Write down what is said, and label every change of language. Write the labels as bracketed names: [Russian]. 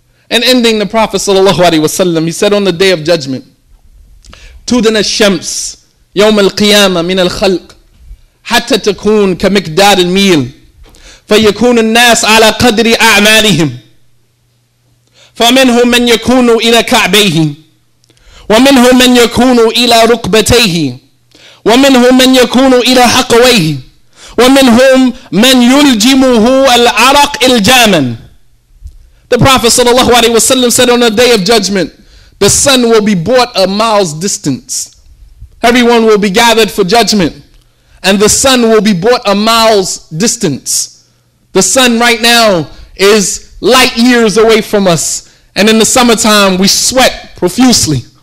[English] And ending the Prophet sallallahu alaihi wasallam, he said on the day of judgment, [Arabic] Tudana shams yawm al-qiyamah min al-khalq حَتَّى تَكُونَ كَمِكْدَادِ الْمِيلِ فَيَكُونَ النَّاسِ عَلَى قَدْرِ أَعْمَالِهِمْ فَمِنْهُمْ مَنْ يَكُونُ إِلَى كَعْبَيْهِ ومنه من يكون إلى ركبتيه ومنه من يكون إلى حقويه ومنهم من يلجمه العرق الجاما. [English] The Prophet sallallahu alaihi wasallam said, on the day of judgment, the sun will be brought a mile's distance. Everyone will be gathered for judgment, and the sun will be brought a mile's distance. The sun right now is light years away from us, and in the summertime we sweat profusely.